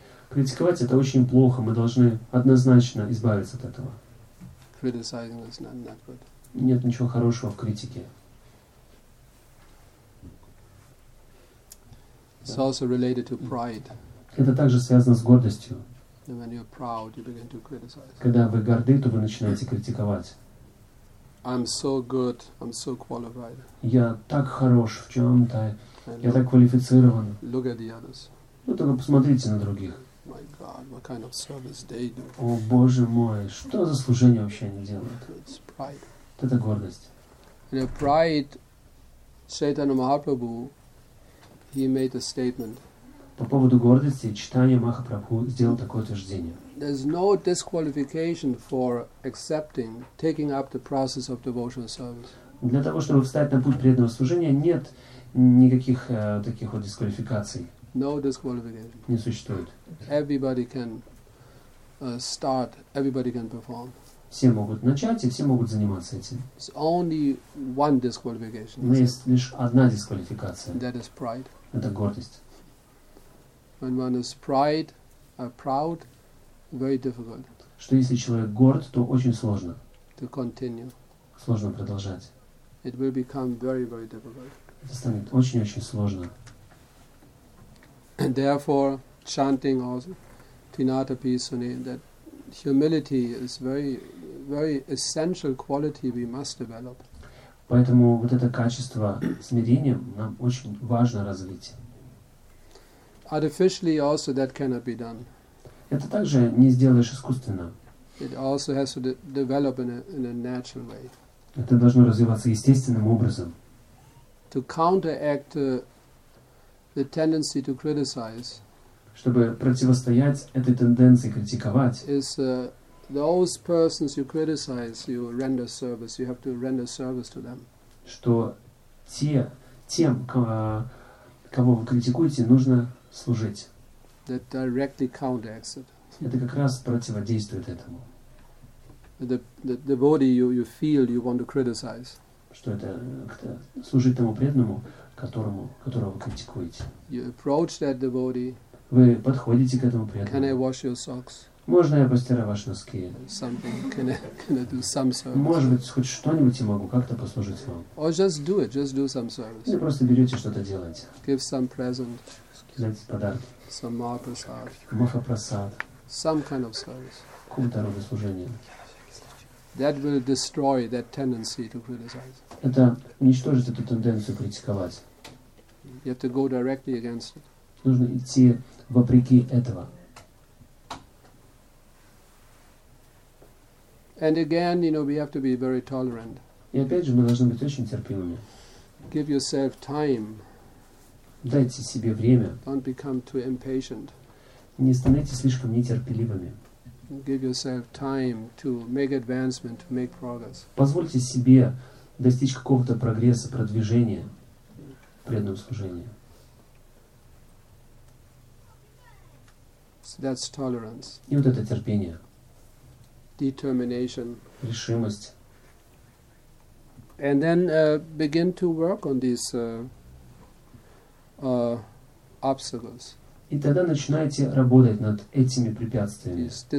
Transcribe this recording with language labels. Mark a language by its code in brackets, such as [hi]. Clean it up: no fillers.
[ru] Критиковать это очень плохо. Мы должны однозначно избавиться от этого. [en] Criticizing is not good. [ru] Нет ничего хорошего в критике. [en] It's also related to pride. [ru] Это также связано с гордостью. [en] And when you're proud, you begin to criticize. [ru] Когда вы горды, то вы начинаете критиковать. [en] I'm so good, I'm so qualified. [ru] Я так хорош в чем-то, я так квалифицирован. [en] Look at the others. [ru] Ну только посмотрите на других. [en] My God, what kind of service they do? [ru] О боже мой, что за служение вообще они делают? [en] It's pride. [ru] Это гордость. [en] In pride, Chaitanya Mahaprabhu, he made a statement. [ru] По поводу гордости Чайтанья Махапрабху сделал такое утверждение. [en] There's no disqualification for accepting, taking up the process of devotional service. [ru] Для того чтобы встать на путь преданного служения, нет никаких таких вот дисквалификаций. [en] No disqualification. [ru] Не существует. [en] Everybody can start. Everybody can perform. [ru] Все могут начать и все могут заниматься этим. [en] It's only one disqualification. [ru] Но есть лишь одна дисквалификация. [en] That is pride. [ru] Это гордость. [en] When one is pride, proud, very difficult. [ru] Что если человек горд, то очень сложно. [en] To continue. [ru] Сложно продолжать. [en] It will become very, very difficult. [ru] это станет очень-очень сложно. [en] And therefore, chanting also Trinatha Pisane, that humility is very, very essential quality we must develop. [ru] Поэтому вот это качество смирения нам очень важно развить. [en] Artificially also that cannot be done. [ru] Это также не сделаешь искусственно. [en] It also has to develop in a natural way. [ru] Это должно развиваться естественным образом. [en] To counteract the tendency to criticize. [ru] Чтобы противостоять этой тенденции критиковать. [en] Is those persons you criticize, you render service. You have to render service to them. [ru] Что тем, кого вы критикуете, нужно служить. [en] That directly counteracts it. [ru] Это как раз противодействует этому. [en] The body you feel you want to criticize. [ru] Что это служить тому преданному, которого вы критикуете. [en] You approach that devotee. [ru] Вы подходите к этому преданному. [en] Can I wash your socks? [ru] Можно я постираю ваши носки? [en] Something. Can I do some service? [ru] Может быть, хоть что-нибудь я могу как-то послужить вам. [en] Or just do it. Just do some service. [ru] Или просто берете что-то делаете. [en] Give some present. [ru] Дайте подарок. [en] Some mahaprasad. [ru] Mahaprasad. [en] Some kind of service. [ru] Какого-то рода служение. [en] That will destroy that tendency to criticize. [ru] Это уничтожит эту тенденцию критиковать. [en] You have to go directly against it. [ru] Нужно идти вопреки этого. [en] And again, you know, we have to be very tolerant. [ru] И опять же, мы должны быть очень терпимыми. [en] Give yourself time. [ru] Дайте себе время. [en] Don't become too impatient. [ru] Не становитесь слишком нетерпеливыми. [en] Give yourself time to make advancement, to make progress. [ru] Позвольте себе достичь какого-то прогресса, продвижения в преданном служении. [en] So that's tolerance. [ru] И вот это терпение. [en] Determination. [ru] Решимость. [en] And then begin to work on these obstacles. [ru] И тогда начинаете работать над этими препятствиями.